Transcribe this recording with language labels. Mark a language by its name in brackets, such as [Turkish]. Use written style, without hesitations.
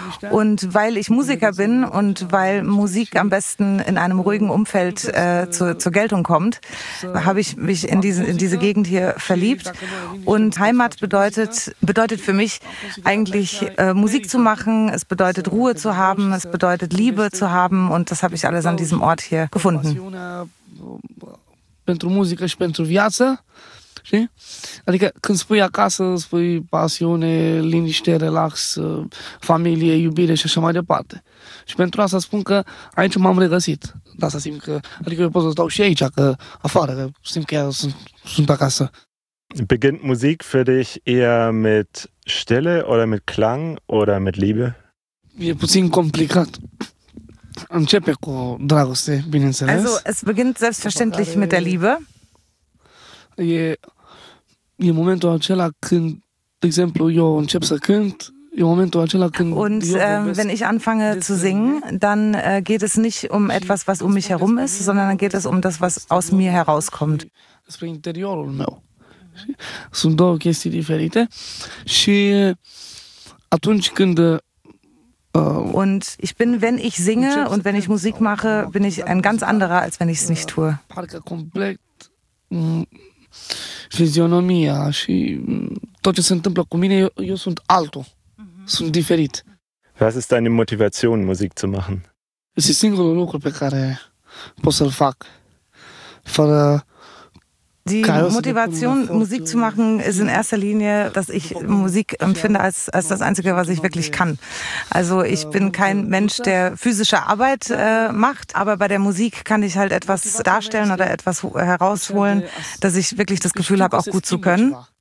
[German] Und weil ich Musiker bin und weil Musik am besten in einem ruhigen Umfeld zur Geltung kommt, habe ich mich in diese Gegend hier verliebt. Und Heimat bedeutet für mich eigentlich Musik zu machen, es bedeutet Ruhe zu haben, es bedeutet Liebe zu haben und das habe ich alles an diesem Ort hier gefunden. Für Musik und für Leben. [Romanian] Adică când spui acasă, spui pasiune, liniște, relax, familie, iubire și așa mai departe. Și pentru asta spun că aici m-am regăsit. De asta simt că, adică eu pot să stau și aici, că afară, că simt că eu sunt acasă. [German] Beginnt Musik für dich eher mit Stille oder mit Klang oder mit Liebe? [Romanian] E puțin complicat. Începe cu dragoste, bineînțeles. [German] Also, es beginnt selbstverständlich mit der Liebe. [Romanian] E momentul acela când, de exemplu, eu încep să cânt. [German] Und wenn ich anfange zu singen, dann geht es nicht um etwas, was um mich herum ist, sondern dann geht es um das, was aus mir herauskommt. [Romanian] Spre interiorul meu. Sunt două chestii diferite. Și atunci când [German] Und ich bin, wenn ich singe und wenn ich Musik mache, bin ich ein ganz anderer, als wenn ich es nicht tue. [Romanian] Parcă complet fizionomia și tot ce se întâmplă cu mine, eu sunt altul, sunt diferit. [German] Was ist deine Motivation, Musik zu machen? [Romanian] Este singurul lucru pe care pot să-l fac. Fără [German] Die Motivation, Musik zu machen, ist in erster Linie, dass ich Musik empfinde als das Einzige, was ich wirklich kann. Also ich bin kein Mensch, der physische Arbeit macht, aber bei der Musik kann ich halt etwas darstellen oder etwas herausholen, dass ich wirklich das Gefühl habe, auch gut zu können.